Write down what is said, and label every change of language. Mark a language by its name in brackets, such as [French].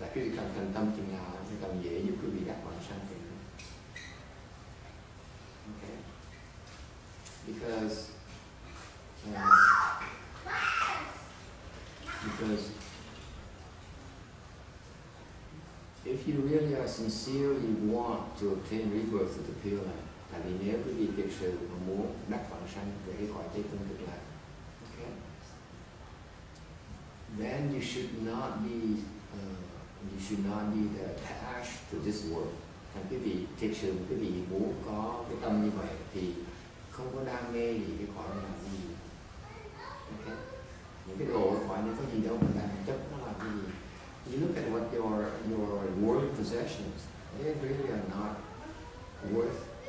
[Vietnamese] Tại quý vị càng thành tâm chừng nào thì càng dễ giúp quý vị đạt quả sanh chừng đó. [English] Okay. Because if you really are sincere, you want to obtain rebirth of the Pure Land. [Vietnamese] Tại vì nếu quý vị thực sự mà muốn đắc vãng sanh về cái cõi Tây Phương Cực Lạc, okay, [English] then you should not be attached to this world. [Vietnamese] Thì quý vị thực sự quý vị muốn có cái tâm như vậy thì không có đam mê gì cái cõi này làm gì, okay, những cái đồ cõi này có gì đâu mà đam chấp nó làm gì. [English] You look at what your worldly possessions, they really are not worth.